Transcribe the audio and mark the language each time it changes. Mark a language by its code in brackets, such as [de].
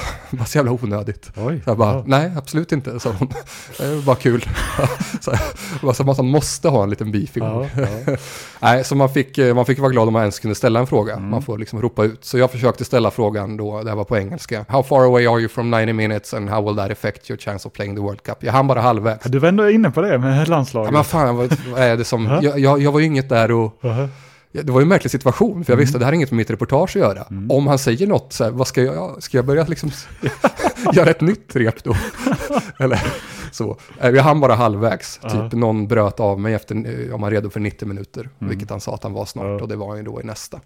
[sv] Bara så jävla onödigt. Nej, absolut inte. Så hon, bara kul. Så man måste ha en liten beef igång. Nej, så man fick vara glad om man ens kunde ställa en fråga. Man får liksom ropa ut. Så jag försökte ställa frågan då, det var på engelska. [en] How far away are you from 90 minutes and how will that affect your chance of playing the World Cup? [sv] Jag hann bara halvvägs. Du var ändå inne på det med landslaget. Ja, men fan, vad är det som... jag var ju inget där och... Det var ju en märklig situation, för jag visste att det här är inget med mitt reportage att göra. Om han säger något, så här, vad ska jag börja liksom göra ett nytt rep då? Eller så. Jag hann bara halvvägs. Typ någon bröt av mig efter, om han är redo för 90 minuter, vilket han sa att han var snart, och det var ju då i nästa.